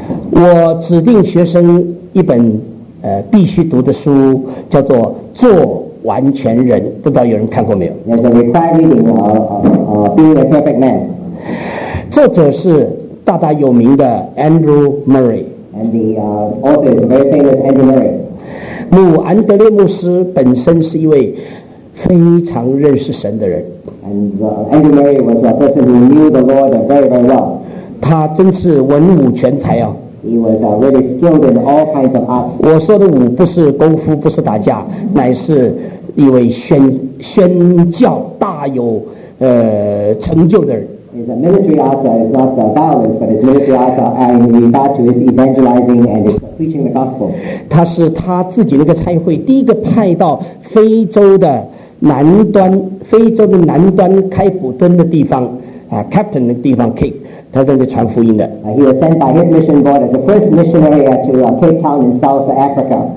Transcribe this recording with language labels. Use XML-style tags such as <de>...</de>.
<zh>我指定学生一本必须读的书叫做《做完全人》，不知道有人看过没有</zh> <en>？There's a required reading Being a Perfect Man.</en> <zh>作者是大大有名的 Andrew Murray.</zh> <en>And the author is a very famous Andrew Murray.</en> <zh>穆安德烈牧师本身是一位。非常认识神的人</zh> <en>Andrew Murray was a person who knew the Lord very very well.</en> <zh>他真是文武全才啊</zh> <en>He was really skilled in all kinds of arts.</en> <zh>我说的武不是功夫，不是打架，乃是一位宣教大有成就的人</zh> <en>is a military altar, it's not a violence, but it's military altar, and we refer to his evangelizing and his preaching the gospel.</en> <zh>他是他自己那个差会第一个派到非洲的南端，非洲的南端开普敦的地方啊 ，Captain 的地方 Cape， 他在那里传福音的。</zh> <en>He was sent by his mission board as the first missionary to Cape Town in South Africa.</en>